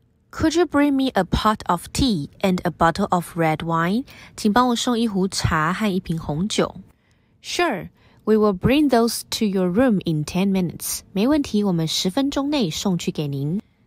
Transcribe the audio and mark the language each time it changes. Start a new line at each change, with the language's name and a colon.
English: Could you bring me a pot of tea and a bottle of red wine?
Chinese: 请帮我送一壶茶和一瓶红酒。
English: Sure, we will bring those to your room in 10 minutes.
Chinese: 没问题，我们十分钟内送去给您。